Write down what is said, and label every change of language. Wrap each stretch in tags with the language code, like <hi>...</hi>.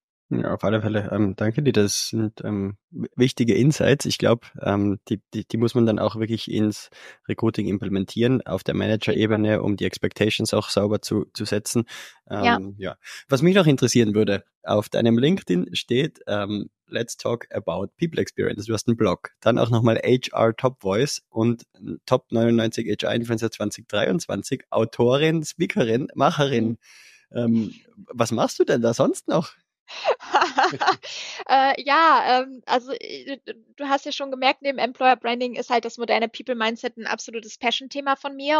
<de>Ja, auf alle Fälle. Danke dir. Das sind wichtige Insights. Ich glaube, die muss man dann auch wirklich ins Recruiting implementieren, auf der Manager-Ebene, um die Expectations auch sauber zu setzen. Was mich noch interessieren würde, auf deinem LinkedIn steht</de> <en>Let's Talk About People Experience.</en> <de>Du hast einen Blog, dann auch nochmal HR Top Voice und Top 99 HR Influencer 2023, Autorin, Speakerin, Macherin. Was machst du denn da sonst noch? also du hast ja schon gemerkt, neben Employer Branding ist halt das moderne People Mindset ein absolutes Passion-Thema von mir.</de>